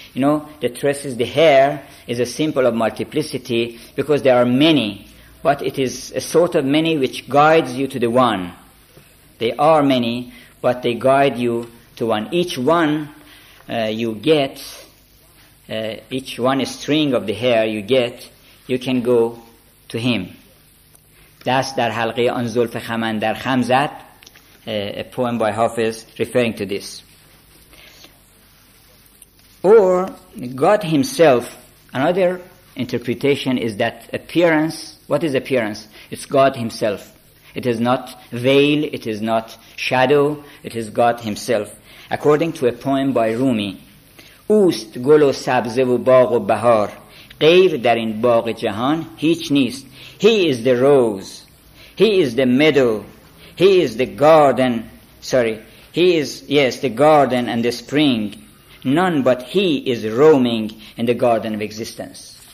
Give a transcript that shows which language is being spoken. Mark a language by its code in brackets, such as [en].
[en] You know, the tresses, the hair, is a symbol of multiplicity because there are many, but it is a sort of many which guides you to the one. They are many, but they guide you to one. Each one you get, each one a string of the hair you get, you can go to him. [fa] دست در حلقه آن زلف خمن در خم زد, [en] a poem by Hafiz referring to this. Or God himself, another interpretation is that appearance, what is appearance? It's God himself. It is not veil, it is not shadow, it is God himself. According to a poem by Rumi, [fa] اوست گل و سبزه و باغ و بهار, غیر در این باغ جهان هیچ نیست. [en] He is the rose, he is the meadow, he is the garden, the garden and the spring. None but he is roaming in the garden of existence.